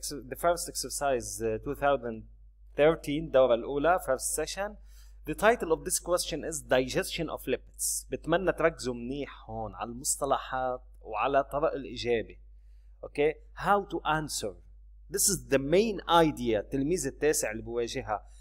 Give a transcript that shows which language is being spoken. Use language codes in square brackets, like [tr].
[en] The first exercise, 2013, [ar] دورة الأولى, [en] first session. The title of this question is Digestion of Lipids. [ar] بتمنى تركزوا منيح هون على المصطلحات وعلى طرق الإجابة. [en] Okay, how to answer. This is the main idea, [ar] تلميذ التاسع اللي بواجهها.